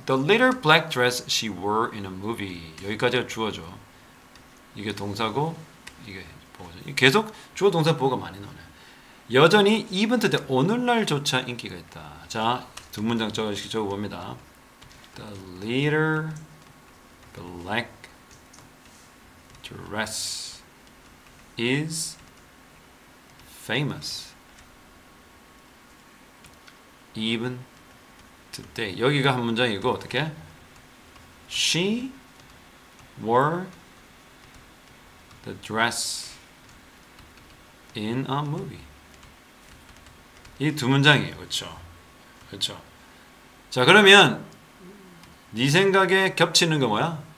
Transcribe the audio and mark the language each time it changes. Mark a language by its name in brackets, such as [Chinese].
[English] The little black dress she wore in a movie. [Korean] 여기까지가 주어죠. 이게 동사고 이게 보호죠. 계속 주어 동사 보호가 많이 나오네. 여전히 이벤트 때 오늘날조차 인기가 있다. 자, 두 문장 적어봅니다. [English] The little black dress is famous even today. [Korean] 여기가 한 문장이고 어떻게? [English] She wore the dress in a movie. 이 두 문장이에요. 그렇죠? 그렇죠? [Korean] 자, 그러면 네 생각에 겹치는 거 뭐야?